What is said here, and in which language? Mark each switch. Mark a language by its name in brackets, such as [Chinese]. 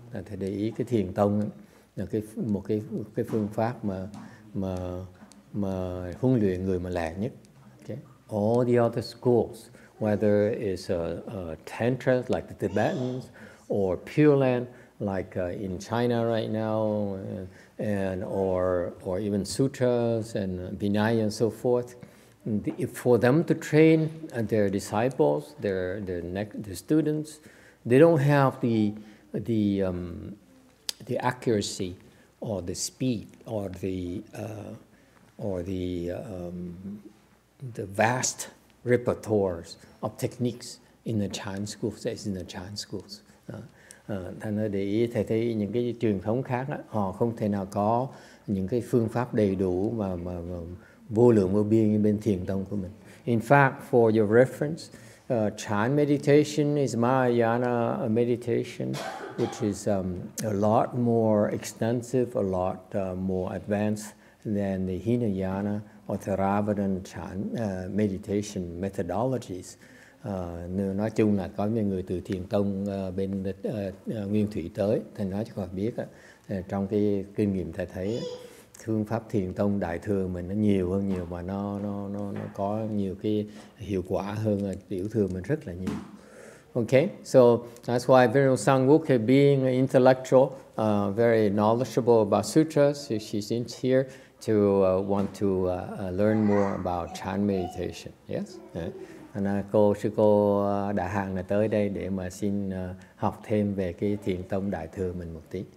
[Vietnamese] Thầy để ý cái thiền tông là một cái phương pháp mà huấn luyện người mà lẹ nhất. [English] Okay. All the other schools, whether it's a tantra like the Tibetans or Pure Land like in China right now, and or even sutras and Vinaya and so forth, for them to train their disciples, their students, they don't have the accuracy or the speed or the vast repertoires of techniques in the Chan schools. That's in the Chan schools. [Vietnamese] Thành ra để ý thầy thấy những cái truyền thống khác đó, họ không thể nào có những cái phương pháp đầy đủ mà vô lượng vô biên như bên thiền tông của mình. [English] In fact, for your reference, Chan meditation is Mahayana meditation, which is a lot more extensive, a lot more advanced than the Hinayana or Theravada Chan meditation methodologies. [Vietnamese] Nói chung là có những người từ thiền tông bên Nguyên Thủy tới, thầy nói cho họ biết trong cái kinh nghiệm thầy thấy phương pháp thiền tông đại thừa mình nó nhiều hơn nhiều mà nó có nhiều cái hiệu quả hơn tiểu thừa mình rất là nhiều. [English] Okay, so that's why Venerable Sangha, being an intellectual, very knowledgeable about sutras, she seems here to want to learn more about chan meditation. Yes. Yeah. And [Vietnamese] cô đại hàng là tới đây để mà xin học thêm về cái thiền tông đại thừa mình một tí.